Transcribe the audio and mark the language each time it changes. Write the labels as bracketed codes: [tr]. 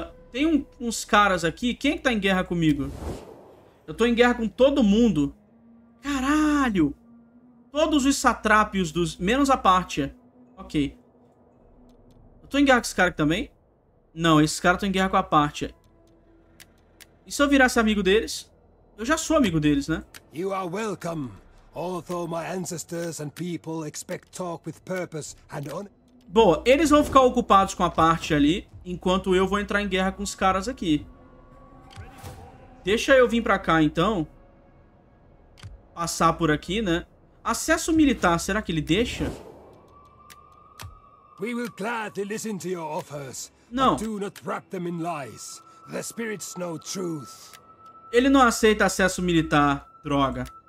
[pt] Tem uns caras aqui. Quem é que tá em guerra comigo? Eu tô em guerra com todo mundo. Caralho! Todos os satrápios dos... menos a Pártia. Ok. Eu tô em guerra com esse cara aqui também? Não, esses caras estão em guerra com a Pártia. E se eu virasse amigo deles? Eu já sou amigo deles, né? [en] You are welcome. Although my ancestors and people expect talk with purpose and honor. [pt] Boa, eles vão ficar ocupados com a parte ali, enquanto eu vou entrar em guerra com os caras aqui. Deixa eu vir pra cá, então. Passar por aqui, né? Acesso militar, será que ele deixa? [en] We will gladly listen to your offers. [pt] Não. [en] But do not wrap them in lies. The spirits know truth. [pt] Ele não aceita acesso militar, droga.